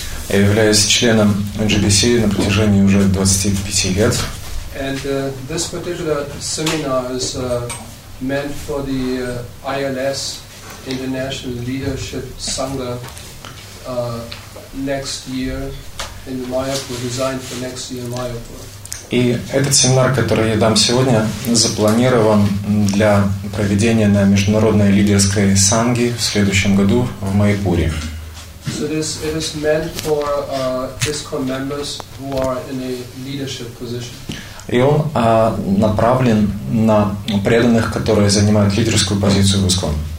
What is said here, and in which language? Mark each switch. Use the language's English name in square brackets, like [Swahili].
[Russian] Я являюсь членом NGBC на протяжении уже 25 лет. [English] And this particular seminar is meant for the ILS International Leadership Sangha next year in Mayapur, designed for next year in Mayapur. [Russian] И этот семинар, который я дам сегодня, запланирован для проведения на международной лидерской санге в следующем году в Майпуре. [English] So this it is meant for ISKCON members who are in a leadership position. [Russian] И он направлен на преданных, которые занимают лидерскую позицию в ИСКОН.